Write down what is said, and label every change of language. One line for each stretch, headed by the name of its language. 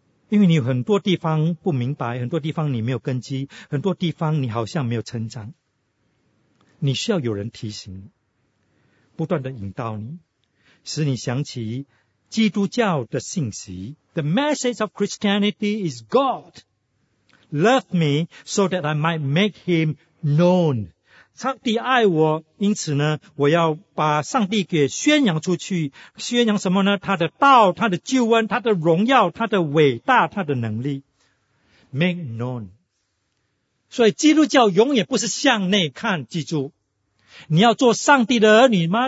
Chinese: 因为你很多地方不明白，很多地方你没有根基，很多地方你好像没有成长。你需要有人提醒你，不断的引导你，使你想起基督教的信息。
English: The message of Christianity is GodLove me so that I might make him known.
Chinese: 上帝爱我，因此呢，我要把上帝给宣扬出去。宣扬什么呢？他的道，他的救恩，他的荣耀，他的伟大，他的能力。
English: Make known.
Chinese: 所以基督教永远不是向内看，记住。你要做上帝的儿女吗？